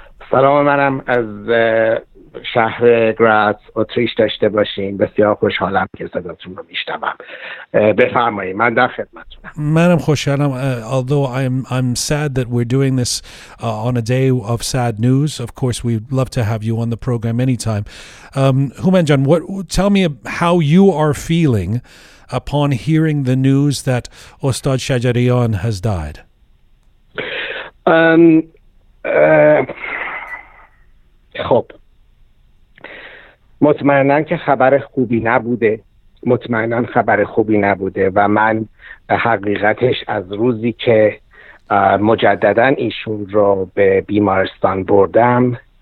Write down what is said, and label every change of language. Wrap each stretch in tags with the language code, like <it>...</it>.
<fa>سلام منم از شهر گراتس اتریش داشته باشین. بسیار خوشحالم که صداتون رو میشنوم. بفرمایید، من در خدمتتونم. منم خوشحالم.</fa> <en>Although I'm sad that we're doing this on a day of sad news. Of course, we'd love to have you on the program anytime. Humen Jan, what tell me how you are feeling upon hearing the news that Ostad Shajarian has died.</en> <fa>خب مطمئنن که خبر خوبی نبوده، مطمئنن خبر خوبی نبوده و من حقیقتش از روزی که مجددن ایشون رو به بیمارستان بردم</fa>